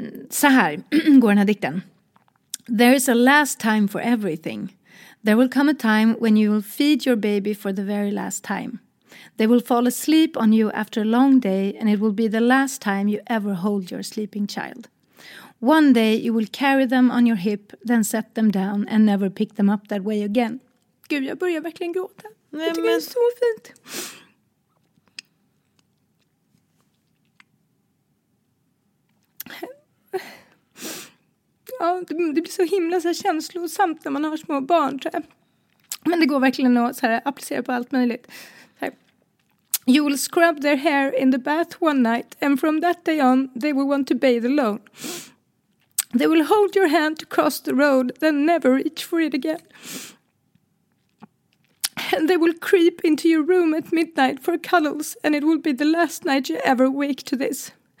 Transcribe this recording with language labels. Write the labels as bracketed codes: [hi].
[sv] Så här går den här dikten. [en] There is a last time for everything. There will come a time when you will feed your baby for the very last time. They will fall asleep on you after a long day, and it will be the last time you ever hold your sleeping child. One day you will carry them on your hip, then set them down and never pick them up that way again. [sv] Gud, jag börjar verkligen gråta. Nej, jag tycker det är så fint. Ja, det blir så himla så här känslosamt när man har små barn. Så här. Men det går verkligen att så här, applicera på allt möjligt. [en] You'll scrub their hair in the bath one night and from that day on they will want to bathe alone. They will hold your hand to cross the road then never reach for it again. And they will creep into your room at midnight for cuddles and it will be the last night you ever wake to this.